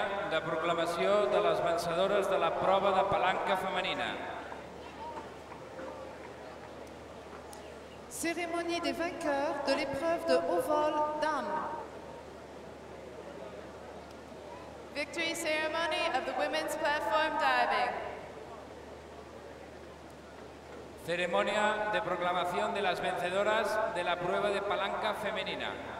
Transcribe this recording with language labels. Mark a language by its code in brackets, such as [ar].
[ca] de proclamació de les vencedores de la prova de palanca femenina. [fr] Cérémonie des vainqueurs de l'épreuve de haut vol dames. [en] Victory ceremony of the women's platform diving. [es] Ceremonia de proclamación de las vencedoras de la prueba de palanca femenina.